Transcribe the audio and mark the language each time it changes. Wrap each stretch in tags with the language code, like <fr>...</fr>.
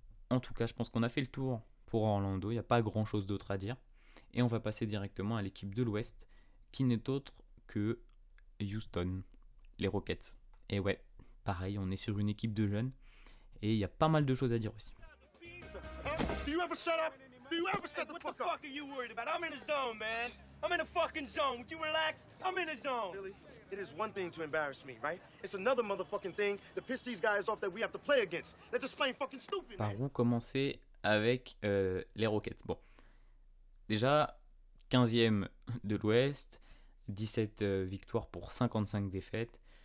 <fr>En tout cas, je pense qu'on a fait le tour pour Orlando, il n'y a pas grand chose d'autre à dire. Et on va passer directement à l'équipe de l'Ouest, qui n'est autre que Houston, les Rockets. Et ouais, pareil, on est sur une équipe de jeunes et il y a pas mal de choses à dire aussi.</fr> <en>Do you ever shut up? Do you ever shut the fuck up? What the fuck are you worried about? I'm in a zone, man. I'm in a fucking zone. Would you relax? I'm in a zone. Billy, it is one thing to embarrass me, right? It's another motherfucking thing to piss these guys off that we have to play against. They're just playing fucking stupid.</en> <fr>Par où commencer avec les Rockets? Bon. Déjà 15e de l'Ouest, 17 victoires pour 55 défaites.</fr>